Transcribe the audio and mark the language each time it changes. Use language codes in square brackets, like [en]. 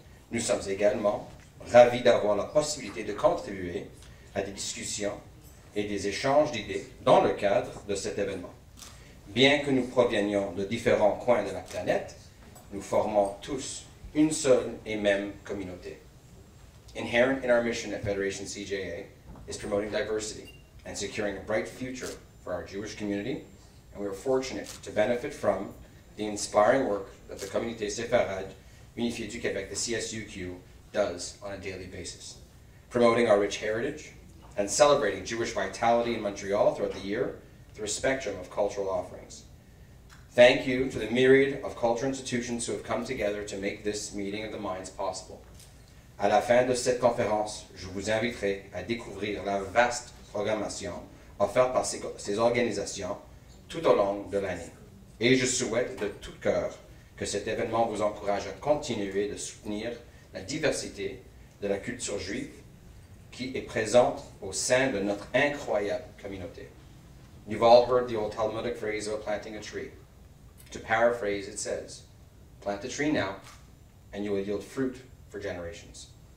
[fr] Nous sommes également ravis d'avoir la possibilité de contribuer à des discussions et des échanges d'idées dans le cadre de cet événement. Bien que nous provenions de différents coins de la planète, nous formons tous une seule et même communauté. [en] Inherent in our mission at Federation CJA is promoting diversity and securing a bright future for our Jewish community, and we are fortunate to benefit from the inspiring work that the Communauté Séfarade Unifiée du Québec, the CSUQ, does on a daily basis. Promoting our rich heritage and celebrating Jewish vitality in Montreal throughout the year through a spectrum of cultural offerings. Thank you to the myriad of cultural institutions who have come together to make this meeting of the minds possible. [fr] À la fin de cette conférence, je vous inviterai à découvrir la vaste programmation offerte par ces organisations tout au long de l'année. Et je souhaite de tout cœur que cet événement vous encourage à continuer de soutenir la diversité de la culture juive qui est présente au sein de notre incroyable communauté. [en] You've all heard the old Talmudic phrase of planting a tree. To paraphrase, it says, plant a tree now and you will yield fruit for generations.